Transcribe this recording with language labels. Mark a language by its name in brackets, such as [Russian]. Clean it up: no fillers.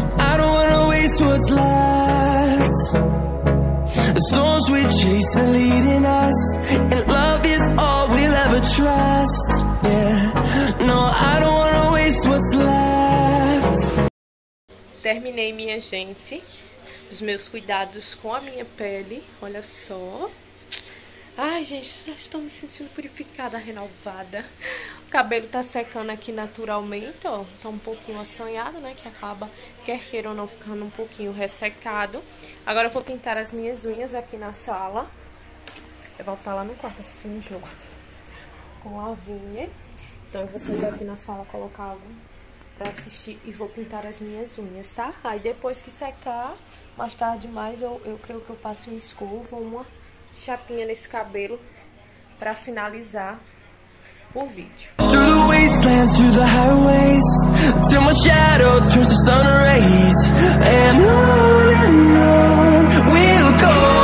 [English] I don't wanna waste what's left. The storms we chase are leading us, and love is all we'll ever trust. Yeah, no, I don't wanna waste what's left. [Portuguese] Terminei, minha gente, os meus cuidados com a minha pele. Olha só. Ai, gente, já estou me sentindo purificada, renovada. O cabelo tá secando aqui naturalmente, ó. Tá um pouquinho assanhado, né? Que acaba, quer queira ou não, ficando um pouquinho ressecado. Agora eu vou pintar as minhas unhas aqui na sala. É voltar lá no quarto assistindo o jogo. Com a Vinha. Então eu vou sair daqui na sala, colocar algo pra assistir e vou pintar as minhas unhas, tá? Aí depois que secar, mais tarde mais, eu creio que eu passo uma escova ou uma chapinha nesse cabelo pra finalizar o vídeo. [English] Through the wastelands, through the highways, till my shadow turns to sun rays. And on we'll go.